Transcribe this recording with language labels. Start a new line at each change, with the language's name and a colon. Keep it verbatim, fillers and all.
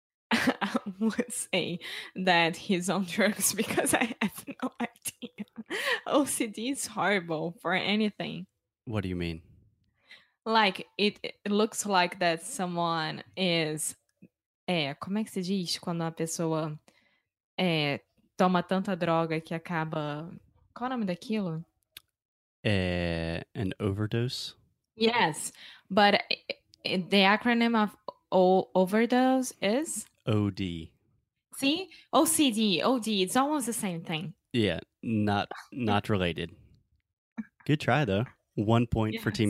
English: I would say that he's on drugs because I have no idea. O C D is horrible for anything. What do you mean? Like, it, it looks like that someone is.
Portuguese: É, como é que se diz quando uma pessoa é, toma tanta droga que acaba. Qual é o nome daquilo?
English: Uh, an overdose? Yes, but i- i- the acronym of o- overdose is O D. see O C D. O D. It's almost the same thing. Yeah, not not related. Good try though. One point for Team